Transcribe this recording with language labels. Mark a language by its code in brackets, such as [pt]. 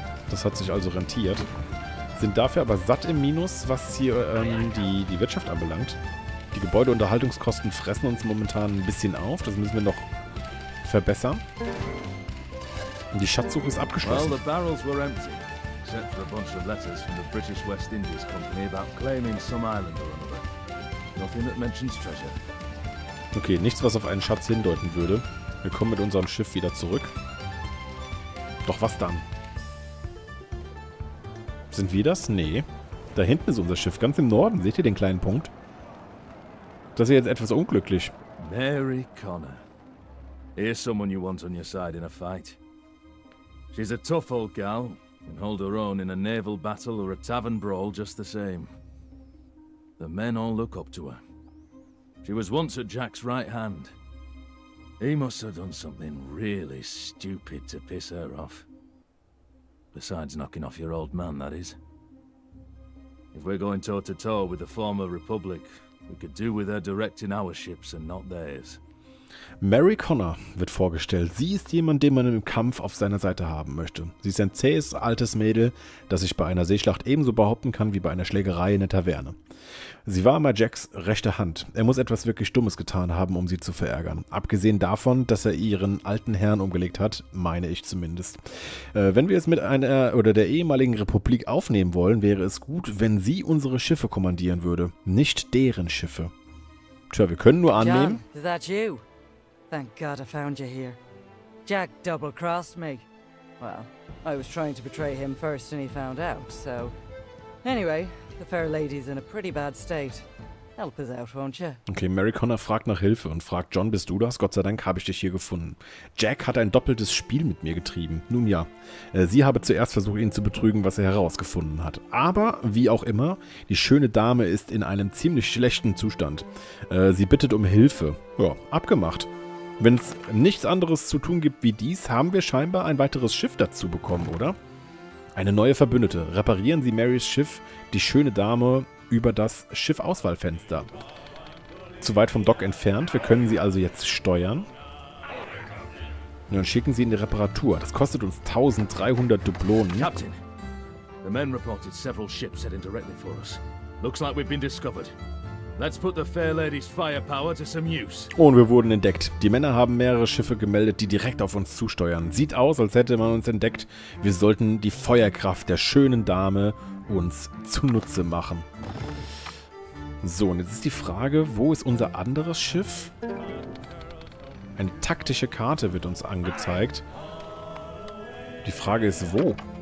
[de] Das hat sich also rentiert. Sind dafür aber satt im Minus, was hier die Wirtschaft anbelangt. Die Gebäudeunterhaltungskosten fressen uns momentan ein bisschen auf. Das müssen wir noch verbessern. Und die Schatzsuche ist abgeschlossen. [en] Well, the barrels were empty, except for a bunch of letters from the British West Indies Company about claiming some island or another. Nothing that mentions treasure. [de] Okay, nichts, was auf einen Schatz hindeuten würde. Wir kommen mit unserem Schiff wieder zurück. Doch was dann? Sind wir das? Nee. Da hinten ist unser Schiff, ganz im Norden. Seht ihr den kleinen Punkt? Das ist jetzt etwas unglücklich. Mary Connor. [en] Here's someone you want on your side in a fight. She's a tough old gal. Can hold her own in a naval battle or a tavern brawl just the same. The men all look up to her. She was once at Jack's right hand. He must have done something really stupid to piss her off. Besides knocking off your old man, that is. If we're going toe-to-toe with the former Republic, we could do with her directing our ships and not theirs. [de] Mary Connor wird vorgestellt. Sie ist jemand, den man im Kampf auf seiner Seite haben möchte. Sie ist ein zähes, altes Mädel, das sich bei einer Seeschlacht ebenso behaupten kann wie bei einer Schlägerei in der Taverne. Sie war mal Jacks rechte Hand. Er muss etwas wirklich Dummes getan haben, um sie zu verärgern. Abgesehen davon, dass er ihren alten Herrn umgelegt hat, meine ich zumindest. Wenn wir es mit einer oder der ehemaligen Republik aufnehmen wollen, wäre es gut, wenn sie unsere Schiffe kommandieren würde, nicht deren Schiffe. Tja, wir können nur annehmen. [en] John, is that you? Thank God I found you here. Jack double-crossed me. Well, I was trying to betray him first and he found out, so... Anyway, the fair lady's in a pretty bad state. Help us out, won't you? [de] Okay, Mary Connor fragt nach Hilfe und fragt, John, bist du das? Gott sei Dank habe ich dich hier gefunden. Jack hat ein doppeltes Spiel mit mir getrieben. Nun ja, sie habe zuerst versucht, ihn zu betrügen, was er herausgefunden hat. Aber, wie auch immer, die schöne Dame ist in einem ziemlich schlechten Zustand. Sie bittet um Hilfe. Ja, abgemacht. Wenn es nichts anderes zu tun gibt wie dies, haben wir scheinbar ein weiteres Schiff dazu bekommen, oder? Eine neue Verbündete. Reparieren Sie Marys Schiff, die schöne Dame, über das Schiffauswahlfenster. Zu weit vom Dock entfernt. Wir können sie also jetzt steuern. Und dann schicken sie in die Reparatur. Das kostet uns 1300 Dublonen. [en] Captain, the men reported several ships heading directly for us. Looks like we've been discovered. Let's put the fair lady's firepower to some use. [de] Und wir wurden entdeckt. Die Männer haben mehrere Schiffe gemeldet, die direkt auf uns zusteuern. Sieht aus, als hätte man uns entdeckt. Wir sollten die Feuerkraft der schönen Dame uns zunutze machen. So, und jetzt ist die Frage, wo ist unser anderes Schiff? Eine taktische Karte wird uns angezeigt. Die Frage ist, wo?